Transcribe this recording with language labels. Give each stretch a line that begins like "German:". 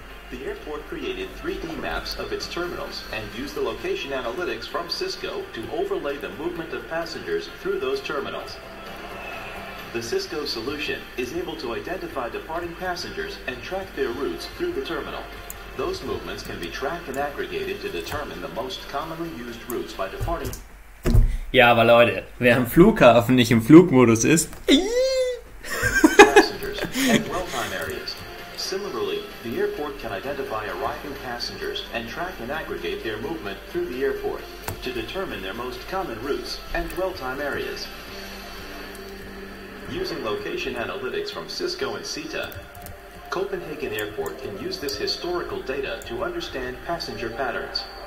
English: The airport created 3D maps of its terminals and used the location analytics from Cisco to overlay the movement of passengers through those terminals. The Cisco solution is able to identify departing passengers and track their routes through the terminal. Those movements can be tracked and aggregated to determine the most commonly used routes by departing.
German: Ja, aber Leute, wer am Flughafen nicht im Flugmodus ist.
English: Passengers and dwell time areas. Similarly, the airport can identify arriving passengers and track and aggregate their movement through the airport to determine their most common routes and dwell time areas. Using location analytics from Cisco and CETA, Copenhagen Airport can use this historical data to understand passenger patterns.